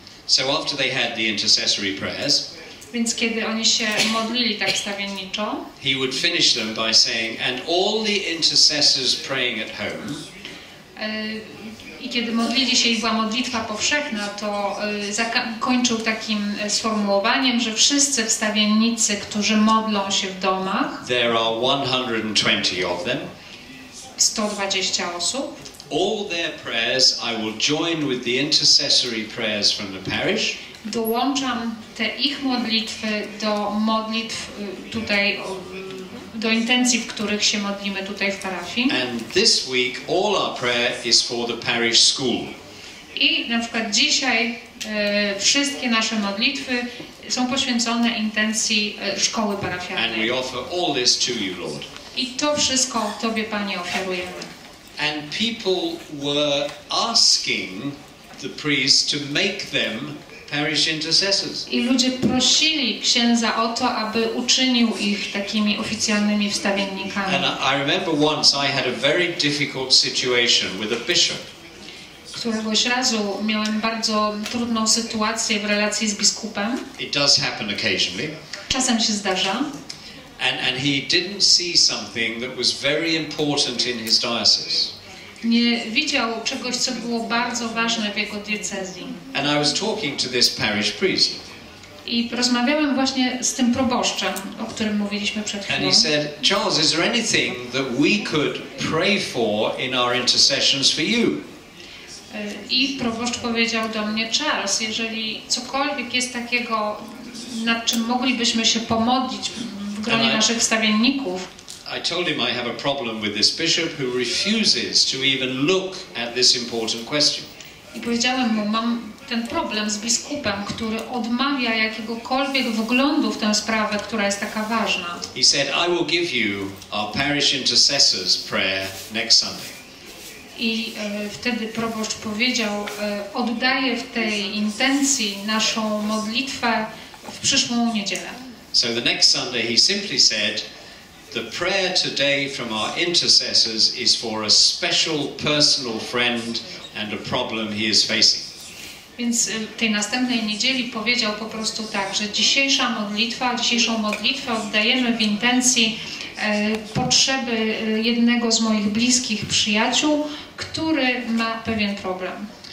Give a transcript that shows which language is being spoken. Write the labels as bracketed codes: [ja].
[en] So after they had the intercessory prayers, [pl] więc kiedy oni się modlili tak stawienniczo, [en] he would finish them by saying, and all the intercessors praying at home. [pl] I kiedy modlili się i była modlitwa powszechna, to kończył takim sformułowaniem, że wszyscy wstawiennicy, którzy modlą się w domach, [en] there are 120 of them. [pl] 120 osób. [en] All their prayers I will join with the intercessory prayers from the parish. [pl] Dołączam te ich modlitwy do modlitw tutaj, do intencji, w których się modlimy tutaj w parafii. [en] And this week all our prayer is for the parish school. [pl] I na przykład dzisiaj wszystkie nasze modlitwy są poświęcone intencji szkoły parafialnej. [en] And we offer all this to you, Lord. [pl] I to wszystko Tobie, Panie, ofiarujemy. [en] And people were asking the priest to make them parish intercessors. [pl] I ludzie prosili księdza o to, aby uczynił ich takimi oficjalnymi wstawiennikami. [en] And I remember once I had a very difficult situation with a bishop. [pl] Któregoś razu miałem bardzo trudną sytuację w relacji z biskupem. [en] It does happen occasionally. [pl] Czasem się zdarza. [en] And he didn't see something that was very important in his diocese. [pl] nie widział czegoś, co było bardzo ważne w jego diecezji. [en] And I was talking to this parish priest. [pl] I rozmawiałem właśnie z tym proboszczem, o którym mówiliśmy przed chwilą. [en] And he said, Charles, is there anything that we could pray for in our intercessions for you? [pl] I proboszcz powiedział do mnie, Charles, jeżeli cokolwiek jest takiego, nad czym moglibyśmy się pomodlić w gronie naszych wstawienników. [en] I told him I have a problem with this bishop who refuses to even look at this important question. [pl] I powiedziałem mu, mam ten problem z biskupem, który odmawia jakiegokolwiek wglądu w tę sprawę, która jest taka ważna. [en] He said, I will give you our parish intercessor's prayer next Sunday. [pl] I wtedy proboszcz powiedział, oddaję w tej intencji naszą modlitwę w przyszłą niedzielę. [en] So the next Sunday he simply said, the prayer today from our intercessors is for a special personal friend and a problem he is facing. [pl] Więc tej następnej niedzieli powiedział po prostu tak, że dzisiejszą modlitwę oddajemy w intencji potrzeby jednego z moich bliskich przyjaciół, który ma pewien problem.